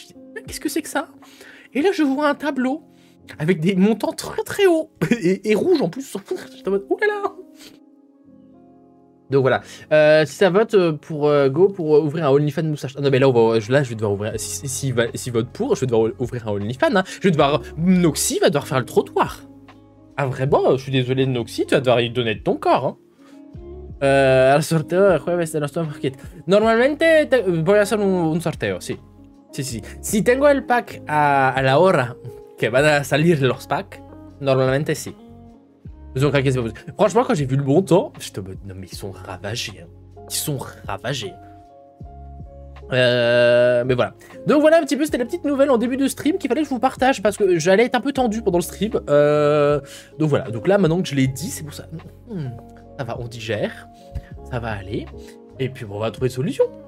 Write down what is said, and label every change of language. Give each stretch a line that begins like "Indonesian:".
French: Je dis, qu'est-ce que c'est que ça? Et là, je vois un tableau avec des montants très très hauts et rouge en plus. J'étais en mode, oh là là! Donc voilà. Si ça vote pour Go, pour ouvrir un OnlyFans moustache. Ah, non, mais je vais devoir ouvrir. Si vote pour, je vais devoir ouvrir un OnlyFans. Hein. Je vais devoir. Noxy va devoir faire le trottoir. Ah, vraiment? Je suis désolé, Noxy, tu vas devoir y donner de ton corps.
Spanish: Hein. Al sorteo del jueves de nuestro market. Normalmente voy a hacer un sorteo, sí. Sí, sí. Si tengo el pack a la hora que van a salir los packs, normalmente sí.
French: Franchement, quand j'ai vu le bon temps, j'étais en mode, non mais ils sont ravagés. Hein. Ils sont ravagés. Mais voilà. Donc voilà un petit peu, c'était la petite nouvelle en début de stream qu'il fallait que je vous partage parce que j'allais être un peu tendu pendant le stream. Donc voilà. Donc là, maintenant que je l'ai dit, c'est pour ça. Ça va, on digère, ça va aller, et puis bon, on va trouver une solution.